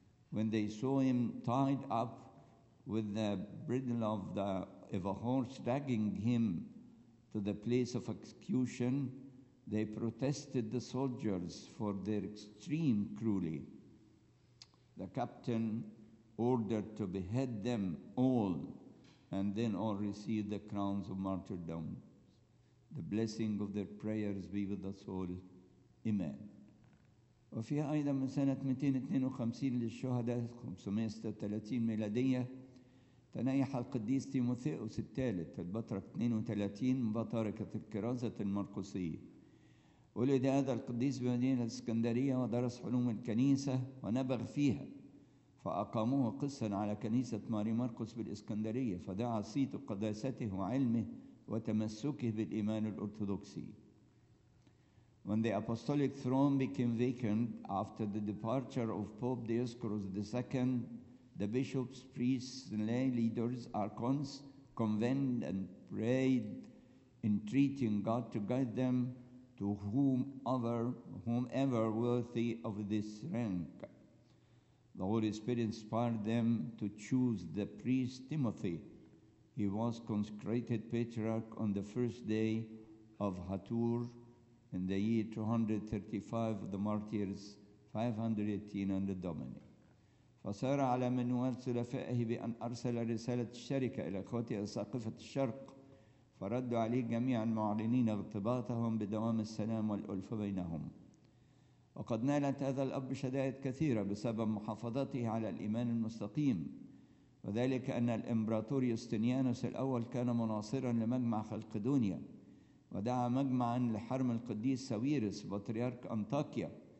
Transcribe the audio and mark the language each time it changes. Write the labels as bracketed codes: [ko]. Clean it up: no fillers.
[en] When they saw him tied up with the bridle of a horse dragging him to the place of execution, they protested the soldiers for their extreme cruelty. The captain ordered to behead them all, and then all received the crowns of martyrdom. The blessing of their prayers be with us all. Amen. [ar] وفي أيضا من سنة 252 للشهداء 536 ميلادية تنايح القديس تيموثيوس الثالث البطرك 32 بطاركة الكرازة المرقسية. ولد هذا القديس بمدينة الإسكندرية ودرس علوم الكنيسة ونبغ فيها. فأقاموه قسا على كنيسة ماري مرقس بالإسكندرية فدعا صيت قداسته وعلمه وتمسكه بالإيمان الأرثوذكسي. [en] When the apostolic throne became vacant after the departure of Pope Dioscorus II, the bishops, priests, and lay leaders, archons, convened and prayed, entreating God to guide them to whomever worthy of this rank. The Holy Spirit inspired them to choose the priest Timothy. He was consecrated patriarch on the first day of Hathor in the year 235 of the martyrs, 518 under Domini. [ar] فسار على منوال سلفائه بأن أرسل رسالة الشركة إلى إخوته الساقفة الشرق فردوا عليه جميعا معلنين اغتباطهم بدوام السلام والألفة بينهم. وقد نالت هذا الأب شدائد كثيرة بسبب محافظته على الإيمان المستقيم، وذلك أن الإمبراطور يوستينيانوس الأول كان مناصراً لمجمع خلقدونيا، ودعا مجمعاً لحرم القديس ساويرس بطريرك أنطاكيا،